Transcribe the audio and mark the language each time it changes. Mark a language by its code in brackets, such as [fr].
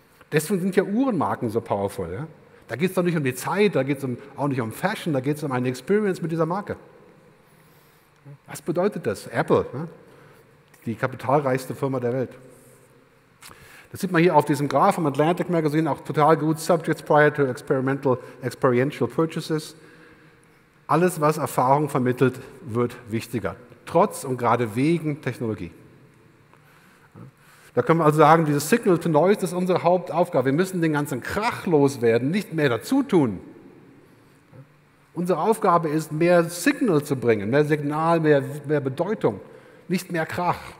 [de] Deswegen sind ja Uhrenmarken so powerful. Ja. Da geht es doch nicht um die Zeit, da geht es auch nicht um Fashion, da geht es um eine Experience mit dieser Marke. Was bedeutet das? Apple, ja, die kapitalreichste Firma der Welt. Das sieht man hier auf diesem Graph vom Atlantic Magazine auch total gut. [en] Subjects prior to experiential purchases. [de] Alles, was Erfahrung vermittelt, wird wichtiger. Trotz und gerade wegen Technologie. Da können wir also sagen, dieses Signal to Noise ist unsere Hauptaufgabe. Wir müssen den ganzen Krach loswerden, nicht mehr dazu tun. Unsere Aufgabe ist, mehr Signal zu bringen, mehr Signal, mehr Bedeutung, nicht mehr Krach.